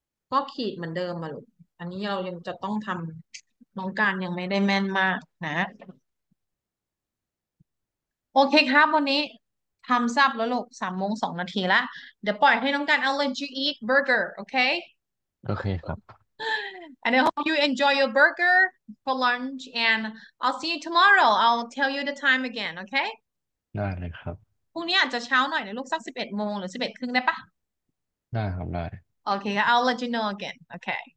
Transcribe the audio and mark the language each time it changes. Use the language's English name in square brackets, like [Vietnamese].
[Thai] ก็ขีดเหมือนเดิมมาลูกอันนี้เรายังจะต้องทำน้องการยังไม่ได้แม่นมากนะโอเคครับวันนี้ทำทราบแล้วลูก3 โมง 2 นาทีละเดี๋ยวปล่อยให้น้องการเอา [English] let you eat burger [Thai] โอเค โอเคครับ [English] and I hope you enjoy your burger for lunch and I'll see you tomorrow I'll tell you the time again โอเค [Thai] ได้เลยครับ พรุ่งนี้อาจจะเช้าหน่อยนะลูกสัก11 โมงหรือ11 ครึ่งได้ปะ ได้ครับได้ [English] โอเคครับ I'll let you know again โอเค